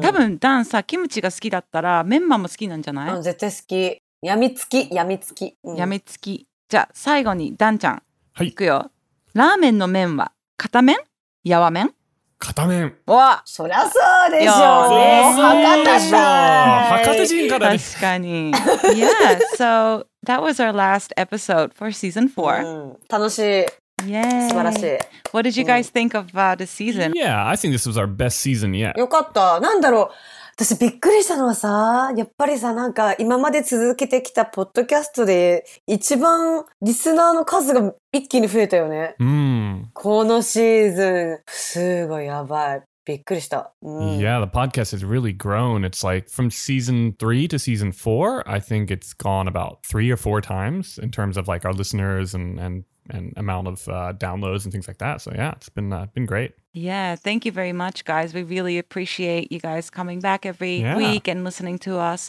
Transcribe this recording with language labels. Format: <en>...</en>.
<ja>多分ダンさキムチが好きだったらメンマも好きなんじゃない、うん、絶対好きやみつきやみつき、うん、やみつきじゃあ最後にダンちゃん、はい、いくよラーメンの麺は片麺やわ麺片面。わ、そりゃそうでしょうね。博多じゃん。博多人からね。確かに。</ja> <en>Yeah, so that was our last episode for season 4.</en> <ja>楽しい。</ja> <en>Yeah.</en> <ja>素晴らしい。</ja> <en>What did you guys think of the season? Yeah, I think this was our best season yet.</en> <ja>よかった。なんだろう。私びっくりしたのはさ、やっぱりさ、なんか今まで続けてきたポッドキャストで一番リスナーの数が一気に増えたよね。うん。このシーズン、すごいやばい。びっくりした。うん、</ja> <en>yeah, the podcast has really grown. It's like from season 3 to season 4, I think it's gone about 3 or 4 times in terms of like our listeners and amount of downloads and things like that. So yeah, it's been great. Yeah, thank you very much, guys. We really appreciate you guys coming back every week and listening to us.</en>